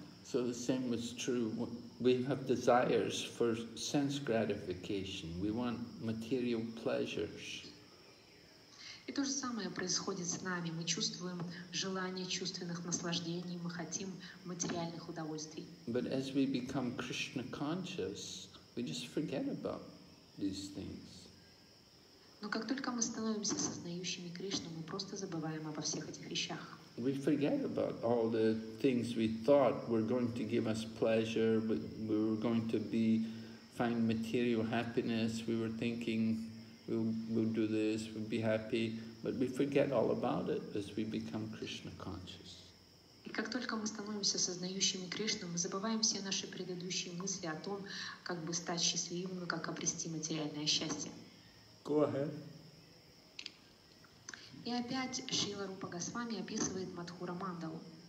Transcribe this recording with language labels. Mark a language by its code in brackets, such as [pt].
[en] So the same is true. We have desires for sense gratification. We want material pleasures. [ru] И то же самое происходит с нами. Мы чувствуем желание чувственных наслаждений, мы хотим материальных удовольствий. [en] But as we become Krishna conscious, we just forget about these things. [ru] Но как только мы становимся сознающими Кришну, мы просто забываем обо всех этих вещах. [en] We forget about all the things we thought were going to give us pleasure, we were going to be find material happiness, we were thinking we'll do this, we'll be happy, but we forget all about it as we become Krishna conscious. [ru] И как только мы становимся сознающими Кришну, мы забываем все наши предыдущие мысли о том, как бы стать счастливым, как обрести материальное счастье. [en] Go ahead. [ru] И опять Шрила Рупа Госвами описывает Мадхура Мандалу.